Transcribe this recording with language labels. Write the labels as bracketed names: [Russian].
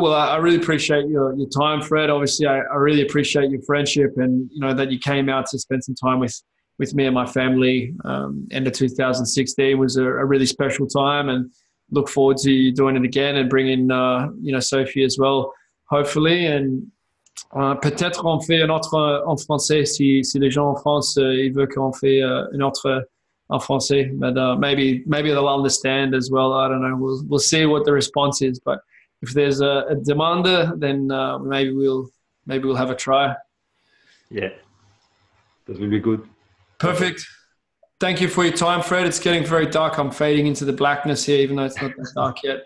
[English] Well, I really appreciate your time, Fred. Obviously, I really appreciate your friendship, and you know that you came out to spend some time with me and my family. End of 2016 was a really special time, and look forward to you doing it again and bringing you know, Sophie as well, hopefully. [French] And peut-être on fait un autre en français si les gens en France ils veulent qu'on fait un autre en français. [English] But maybe they'll understand as well. I don't know. We'll see what the response is. But if there's a demander, then maybe we'll have a try. Yeah, that will be good. Perfect. Thank you for your time, Fred. It's getting very dark. I'm fading into the blackness here, even though it's not that dark yet.